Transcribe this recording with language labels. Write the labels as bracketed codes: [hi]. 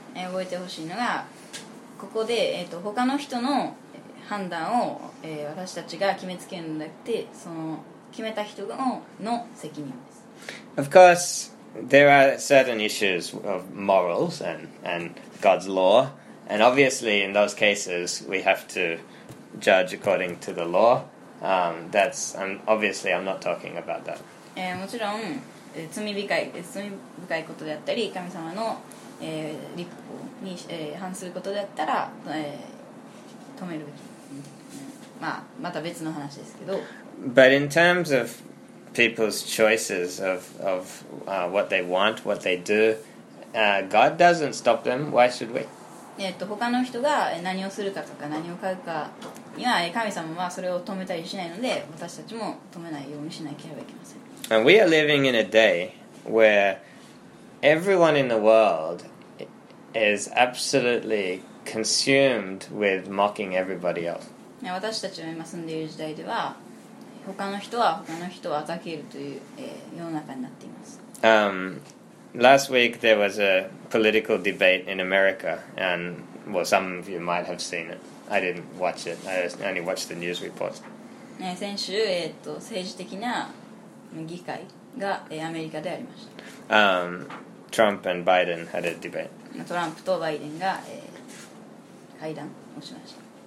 [ja] 覚えてほしいのが、ここで、他の人の判断を、私たちが決めつけるのではなくて、その決めた人の責任です。 [en] Of course, there are certain issues of morals and God's law, and obviously in those cases we have to judge according to the law. I'm not talking about that. [ja] もちろん、罪深いことであったり、神様の、立法に、反することであったら、止めるべき。まあ、また別の話ですけど。 [en] But in terms of people's choices of what they want, what they do, God doesn't stop them. Why should we? [ja] 他の人が何をするかとか何を買うかには神様はそれを止めたりしないので、私たちも止めないようにしなければいけません。 [en] And we are living in a day where everyone in the world is absolutely consumed with mocking everybody else. [ja] 私たちが今住んでいる時代では、他の人は他の人をあざけるという、世の中になっています。 [en] Last week there was a political debate in America, and well, some of you might have seen it. I didn't watch it. I only watched the news reports. [ja] 先週、政治的な議会が、アメリカでありました。 [en] Trump and Biden had a debate. [ja] トランプとバイデンが、会談をしました。